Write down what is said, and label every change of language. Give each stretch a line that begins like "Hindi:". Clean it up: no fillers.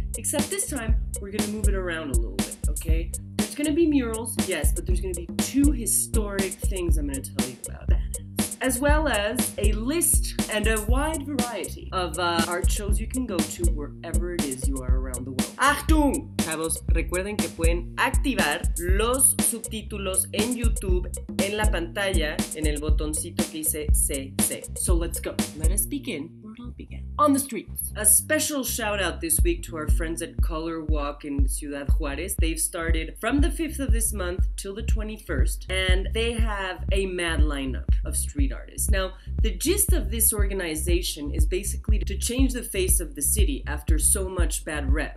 English: Except this time, we're going to move it around a little bit, okay? There's going to be murals, yes, but there's going to be two historic things I'm going to tell you about. As well as a list and a wide variety of art shows you can go to wherever it is you are around the world.
German: Achtung!
Spanish: Chavos, recuerden que pueden activar los subtítulos en YouTube en la pantalla en el botoncito que dice CC.
English: So let's go. Let us begin. On the streets. A special shout out this week to our friends at Color Walk in Ciudad Juárez. They've started from the 5th of this month till the 21st, and they have a mad lineup of street artists. Now, the gist of this organization is basically to change the face of the city after so much bad rep.